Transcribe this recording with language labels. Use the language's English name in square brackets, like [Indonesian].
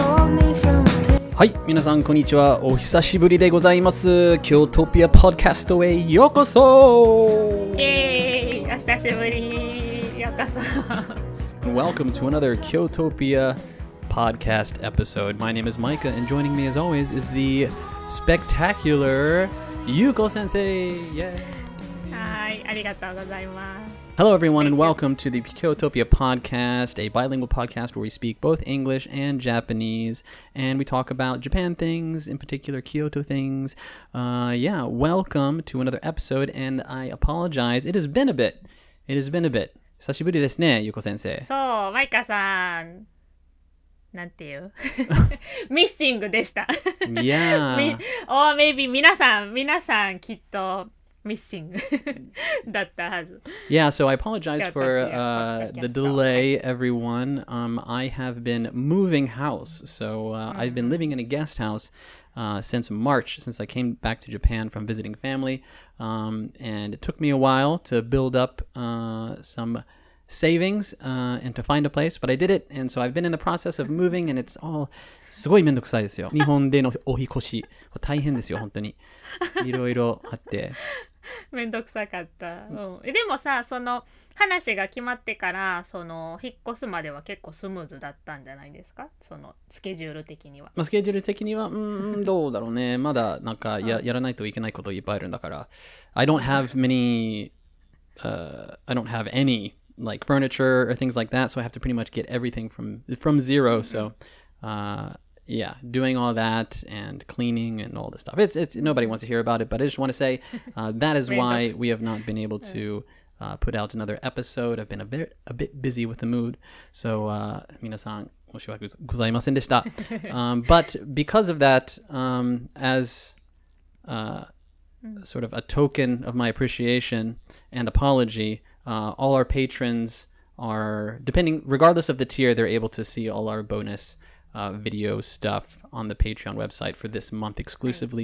[Japanese] はい、皆さんこんにちは。お久しぶりでございます。キョートピアポッドキャストへようこそ。イエーイ、お久しぶり、ようこそ。 [English] Welcome to another Kyotopia podcast episode. My name is Micah, and joining me as always is the spectacular Yuko Sensei. Yay! Hi, [Japanese] ありがとうございます。 [English] Hello everyone, and welcome to the Kyotopia podcast, a bilingual podcast where we speak both English and Japanese, and we talk about Japan things, in particular Kyoto things. Yeah, welcome to another episode, and I apologize, it has been a bit. It has been a bit. [Japanese] 久しぶりですね、ゆこ先生。そう、マイカさん。なんていう [English] Missing [Japanese] でした。 [English] Yeah. Or maybe [Japanese] 皆さんきっと [English] missing that [Japanese] だったはず。 [English] Yeah, so I apologize for the delay, everyone. I have been moving house, so I've been living in a guest house since March, since I came back to Japan from visiting family, and it took me a while to build up some savings and to find a place, but I did it, and so I've been in the process of moving, and it's all [Japanese] すごい面倒くさいですよ。日本でのお引越し大変ですよ、本当に。いろいろあって。めんどくさかった、うん、でもさ、その話が決まってからその引っ越すまでは結構スムーズだったんじゃないですか、そのスケジュール的には。まあ、スケジュール的にはどうだろうね。まだなんか やらないといけないこといっぱいあるんだから。 [English] I don't have many I don't have any like furniture or things like that, so I have to pretty much get everything from zero. So yeah, doing all that and cleaning and all the stuff. It's nobody wants to hear about it, but I just want to say that is why we have not been able to put out another episode. I've been a bit busy with the mood. So, [Japanese] 皆さん、申し訳ございませんでした。 [English] But because of that, as sort of a token of my appreciation and apology, all our patrons are, regardless of the tier, they're able to see all our bonus video stuff on the Patreon website for this month exclusively.